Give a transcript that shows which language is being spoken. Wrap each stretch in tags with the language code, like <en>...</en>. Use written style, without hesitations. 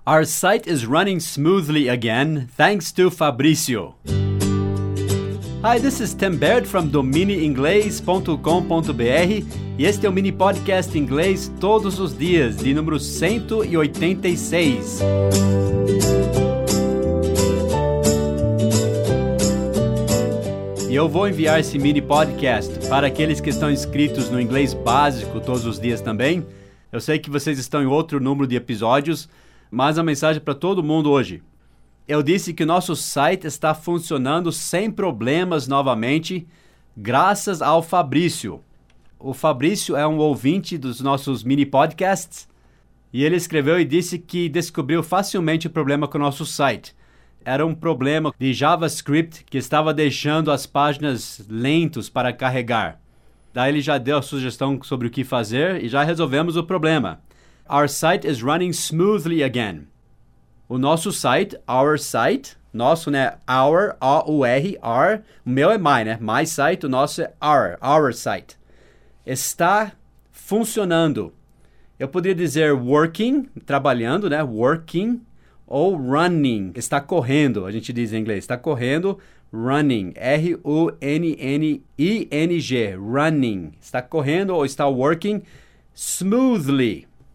<en>Our site is running smoothly again, thanks to Fabricio. Hi, this is</en> <pt>Tim Baird from domineinglês.com.br e este é o mini podcast inglês todos os dias, de número 186. E eu vou enviar esse mini podcast para aqueles que estão inscritos no inglês básico todos os dias também. Eu sei que vocês estão em outro número de episódios, mas a mensagem é para todo mundo hoje. Eu disse que o nosso site está funcionando sem problemas novamente, graças ao Fabrício. O Fabrício é um ouvinte dos nossos mini podcasts e ele escreveu e disse que descobriu facilmente o problema com o nosso site. Era um problema de JavaScript que estava deixando as páginas lentos para carregar. Daí ele já deu a sugestão sobre o que fazer e já resolvemos o problema.</pt> <en>Our site is running smoothly again.</en> <pt>O nosso site,</pt> <en>our site,</en> <pt>nosso, né, our, O-U-R, our, o meu é my, né, my site, o nosso é our site. Está funcionando. Eu poderia dizer working, trabalhando, né, working, ou running, está correndo, a gente diz em inglês, está correndo, running, R-U-N-N-I-N-G, running, está correndo ou está</pt> <en>working smoothly.</en>